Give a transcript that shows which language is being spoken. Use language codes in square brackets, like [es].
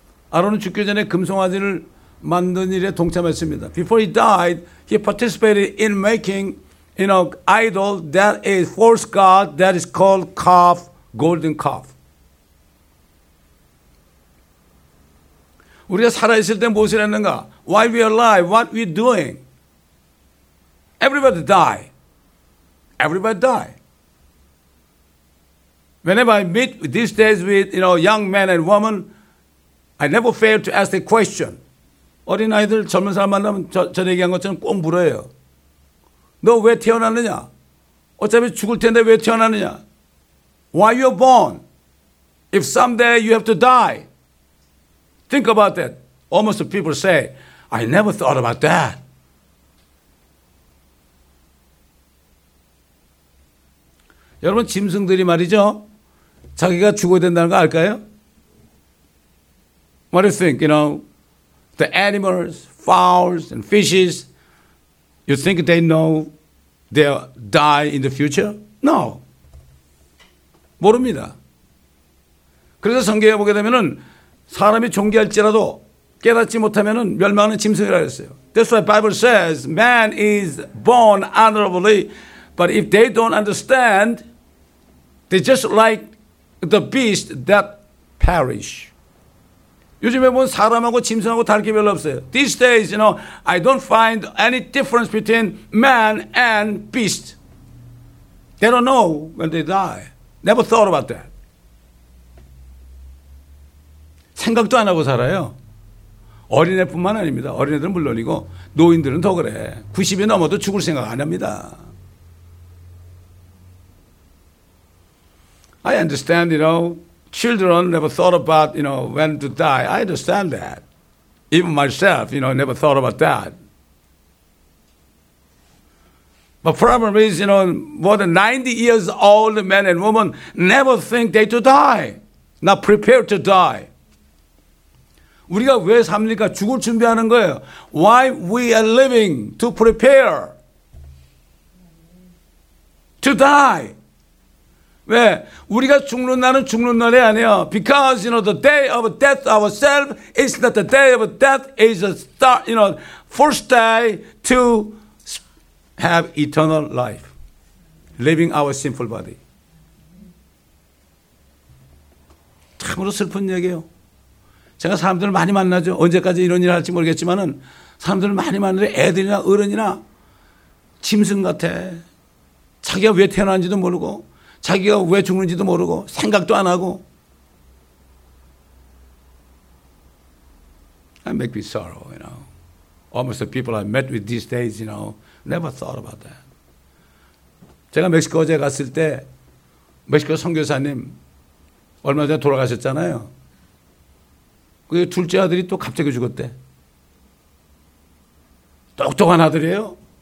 [ko] 아론은 죽기 전에 금송아지를 만든 일에 동참했습니다. [en] Before he died, he participated in making, you know, idol that is false god that is called calf, golden calf. [ko] 우리가 살아 있을 때 무엇을 했는가? [en] While we are alive, what we doing? Everybody die. Everybody die. Whenever I meet these days with, you know, young men and women, I never fail to ask a question. [ko] 어린 아이들 젊은 사람 만나면 전 얘기한 것처럼 꼭 물어요. 너 왜 태어났느냐? 어차피 죽을 텐데 왜 태어났느냐? [en] Why you are born? If someday you have to die. Think about that. Almost people say, I never thought about that. [ko] 여러분 짐승들이 말이죠. 자기가 죽어야 된다는 거 알까요? [en] What do you think, you know? The animals, fowls, and fishes, you think they know they'll die in the future? [ko] No. 모릅니다. 그래서 성경에 보게 되면은 사람이 존귀할지라도 깨닫지 못하면은 멸망하는 짐승이라고 했어요. [en] That's why the Bible says man is born honorably, but if they don't understand, they just like the beast that perish. [ko] 요즘에 보면 사람하고 짐승하고 다를 게 별로 없어요. [en] These days, you know, I don't find any difference between man and beast. They don't know when they die. Never thought about that. [ko] 생각도 안 하고 살아요. 어린애뿐만 아닙니다. 어린애들은 물론이고 노인들은 더 그래. 90이 넘어도 죽을 생각 안 합니다. [en] I understand, you know, children never thought about, you know, when to die. I understand that. Even myself, you know, never thought about that. But problem is, you know, more than 90 years old men and women never think they to die, not prepared to die. [ko] 우리가 왜 삽니까? 죽을 준비하는 거예요. [en] Why we are living? To prepare. To die. [ko] 왜? 우리가 죽는 날은 죽는 날이 아니야. [en] Because, you know, the day of death ourselves is not the day of death, is a start, you know, first day to have eternal life. Living our sinful body. [ko] 참으로 슬픈 얘기예요. 제가 사람들을 많이 만나죠. 언제까지 이런 일을 할지 모르겠지만은 사람들을 많이 만나요. 애들이나 어른이나 짐승 같아. 자기가 왜 태어난지도 모르고 자기가 왜 죽는지도 모르고 생각도 안 하고. [en] I make me sorrow, you know. Almost the people I met with these days, you know, never thought about that. [ko] 제가 멕시코 어제 갔을 때 멕시코 선교사님 얼마 전에 돌아가셨잖아요. 그 둘째 아들이 또 갑자기 죽었대. 똑똑한 아들이에요.